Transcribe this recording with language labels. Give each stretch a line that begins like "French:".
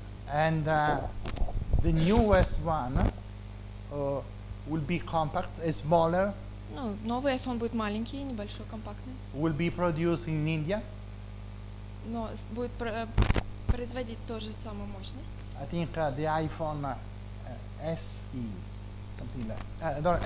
English: And the newest one will be compact, smaller.
Russian: Новый iPhone будет маленький, небольшой, компактный.
English: Will be produced in India.
Russian: Но будет производить ту же самую мощность.
English: I think the iPhone SE, something like that.